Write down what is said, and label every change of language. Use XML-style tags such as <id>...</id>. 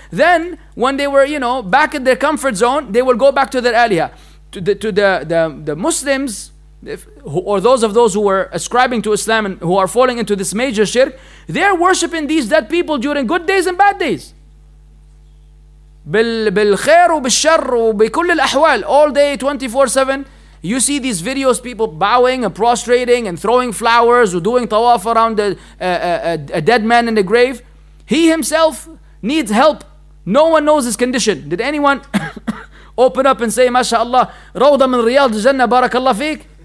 <en>Then, when they were, you know, back in their comfort zone, they will go back to their aliyah. To the Muslims, those who were ascribing to Islam and who are falling into this major shirk, they are worshiping these dead people during good days and bad days.</en> <ar>بالخير وبالشر وبكل الأحوال.</ar> <en>All day 24/7, you see these videos, people bowing and prostrating and throwing flowers or doing tawaf around a dead man in the grave. He himself needs help. No one knows his condition. Did anyone open up and say, MashaAllah,</en> <ar>روضة من رياض الجنة بارك الله فيك?</ar>